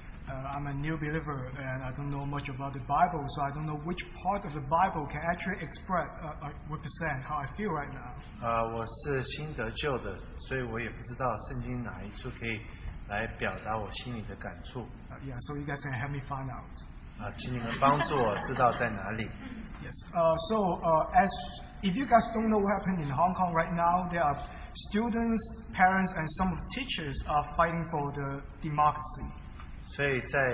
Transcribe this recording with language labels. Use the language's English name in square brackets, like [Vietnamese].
[English] I'm a new believer and I don't know much about the Bible, so I don't know which part of the Bible can actually express represent how I feel right now. [Chinese] 我是新得救的，所以我也不知道圣经哪一处可以来表达我心里的感触。 [English] Yeah, so you guys can help me find out. [Chinese] 请你们帮助我知道在哪里。 [English] Yes. If you guys don't know what happened in Hong Kong right now, there are students, parents, and some teachers are fighting for the democracy.